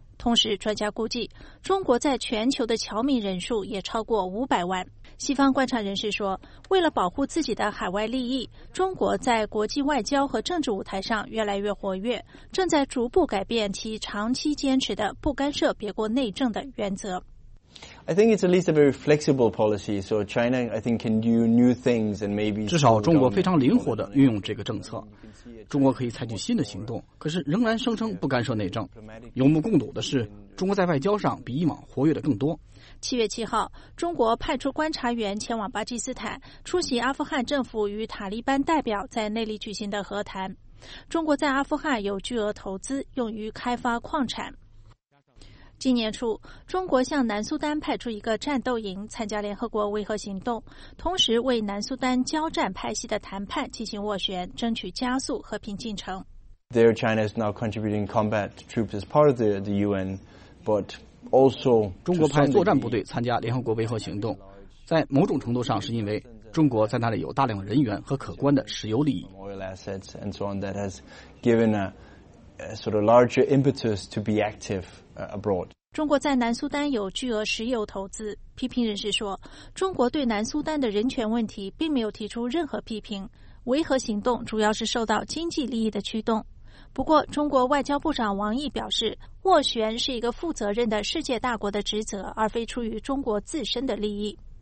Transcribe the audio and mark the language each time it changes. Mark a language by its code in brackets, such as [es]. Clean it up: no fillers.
[zh] 同时，专家估计，中国在全球的侨民人数也超过500万。西方观察人士说，为了保护自己的海外利益，中国在国际外交和政治舞台上越来越活跃，正在逐步改变其长期坚持的不干涉别国内政的原则。 [en] I think it's at least a very flexible policy. So China, I think, can do new things and maybe. [zh] 至少中国非常灵活地运用这个政策，中国可以采取新的行动，可是仍然声称不干涉内政。有目共睹的是，中国在外交上比以往活跃的更多。 7月7号，中国派出观察员前往巴基斯坦，出席阿富汗政府与塔利班代表在那里举行的和谈。中国在阿富汗有巨额投资，用于开发矿产。今年初，中国向南苏丹派出一个战斗营参加联合国维和行动，同时为南苏丹交战派系的谈判进行斡旋，争取加速和平进程。 [en] There, China is now contributing combat troops as part of the UN, but also [zh] 中国派作战部队参加联合国维和行动，在某种程度上是因为中国在那里有大量人员和可观的石油利益。 [en] Oil assets and so on that has given a sort of larger impetus to be active. [zh] 中国在南苏丹有巨额石油投资，批评人士说，中国对南苏丹的人权问题并没有提出任何批评，维和行动主要是受到经济利益的驱动。不过，中国外交部长王毅表示，斡旋是一个负责任的世界大国的职责，而非出于中国自身的利益。